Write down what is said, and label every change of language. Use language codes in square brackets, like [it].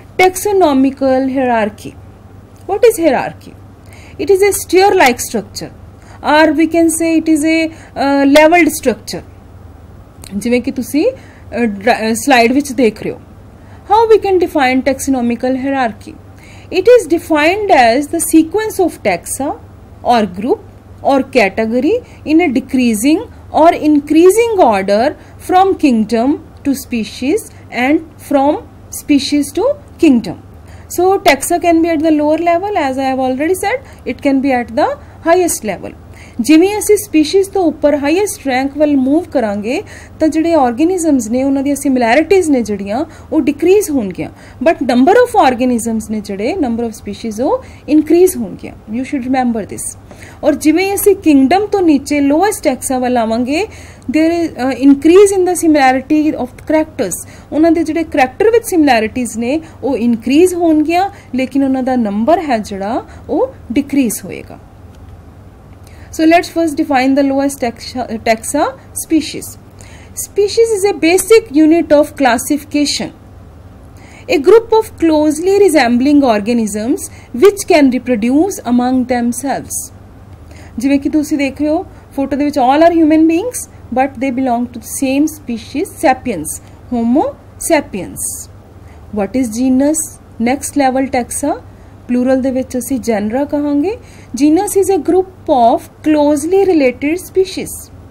[en] Taxonomical hierarchy, what is hierarchy? It is a stair like structure, or we can say it is a levelled structure, [pa] ਜਿਵੇਂ ਕਿ ਤੁਸੀਂ slide ਵਿੱਚ ਦੇਖ ਰਹੇ ਹੋ। [en] How we can define taxonomical hierarchy? It is defined as the sequence of taxa or group or category in a decreasing or increasing order from kingdom to species and from species to kingdom. So, taxa can be at the lower level, as I have already said, it can be at the highest level. [pa] ਜਿਵੇਂ ਅਸੀਂ species ਤੋਂ ਉੱਪਰ highest rank ਵੱਲ move ਕਰਾਂਗੇ ਤਾਂ ਜਿਹੜੇ ਔਰਗੇਨਿਜ਼ਮਸ ਨੇ ਉਹਨਾਂ ਦੀਆਂ ਸਿਮਿਲੈਰਿਟੀਜ਼ ਨੇ ਜਿਹੜੀਆਂ ਉਹ ਡਿਕਰੀਜ਼ ਹੋਣਗੀਆਂ, ਬਟ ਨੰਬਰ ਆਫ ਔਰਗੇਨਿਜ਼ਮਸ ਨੇ ਜਿਹੜੇ ਨੰਬਰ ਆਫ ਸਪੀਸ਼ੀਜ਼ ਉਹ ਇਨਕਰੀਜ਼ ਹੋਣਗੀਆਂ। [en] You should remember this. [pa] ਔਰ ਜਿਵੇਂ ਅਸੀਂ ਕਿੰਗਡਮ ਤੋਂ ਨੀਚੇ ਲੋਐਸਟ ਟੈਕਸਾਂ ਵੱਲ ਆਵਾਂਗੇ, ਦੇਰ increase in ਦਾ similarity of characters, ਉਹਨਾਂ ਦੇ ਜਿਹੜੇ ਕਰੈਕਟਰ ਵਿੱਚ ਸਿਮਿਲੈਰਿਟੀਜ਼ ਨੇ ਉਹ ਇਨਕਰੀਜ਼ ਹੋਣਗੀਆਂ, ਲੇਕਿਨ ਉਹਨਾਂ ਦਾ ਨੰਬਰ ਹੈ ਜਿਹੜਾ ਉਹ ਡਿਕਰੀਜ਼ ਹੋਏਗਾ। [en] So let's first define the lowest taxa species. Species is a basic unit of classification. A group of closely resembling organisms which can reproduce among themselves. [pa] ਜਿਵੇਂ ਕਿ ਤੁਸੀਂ ਦੇਖ ਰਹੇ ਹੋ ਫੋਟੋ ਦੇ ਵਿੱਚ [en] All are human beings but they belong to the same species sapiens homo sapiens. What is genus? [pa] Next level ਟੈਕਸਾ, plural ਦੇ ਵਿੱਚ ਅਸੀਂ ਜੈਨਰਾ ਕਹਾਂਗੇ। [en] Genus is a group of closely related species.